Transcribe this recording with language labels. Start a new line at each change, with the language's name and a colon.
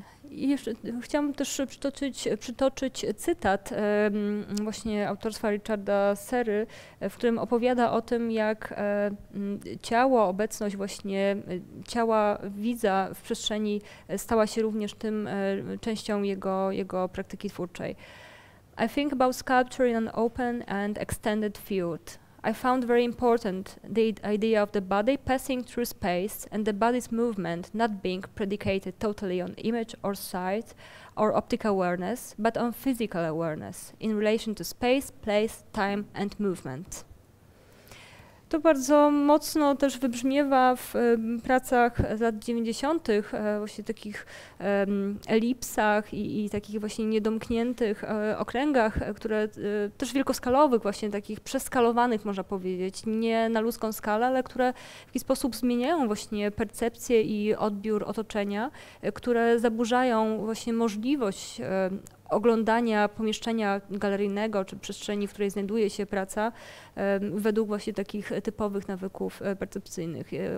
Polish: I jeszcze chciałam też przytoczyć cytat właśnie autorstwa Richarda Serry, w którym opowiada o tym, jak ciało, obecność właśnie ciała widza w przestrzeni stała się również tym częścią jego praktyki twórczej.
English: I think about sculpture in an open and extended field. I found very important the idea of the body passing through space and the body's movement not being predicated totally on image or sight or optic awareness, but on physical awareness in relation to space, place, time and movement.
Polish: To bardzo mocno też wybrzmiewa w pracach z lat 90. właśnie takich elipsach i takich właśnie niedomkniętych okręgach, które też wielkoskalowych, właśnie takich przeskalowanych, można powiedzieć, nie na ludzką skalę, ale które w jakiś sposób zmieniają właśnie percepcję i odbiór otoczenia, które zaburzają właśnie możliwość oglądania pomieszczenia galeryjnego czy przestrzeni, w której znajduje się praca, według właśnie takich typowych nawyków percepcyjnych.